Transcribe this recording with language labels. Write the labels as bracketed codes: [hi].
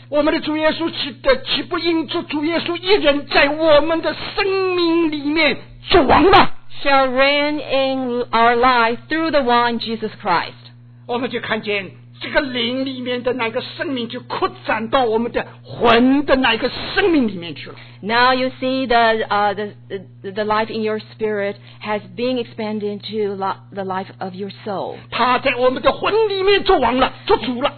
[zh] 我们的主耶稣岂不因着主耶稣一人在我们的生命里面做王吗 [en] Shall reign in our life through the one Jesus Christ. [zh] 我们就看见这个灵里面的那个生命就扩展到我们的魂的那个生命里面去了。 [en] Now you see the life in your spirit has been expanded to the life of your soul. [zh] 他在我们的魂里面做王了，做主了。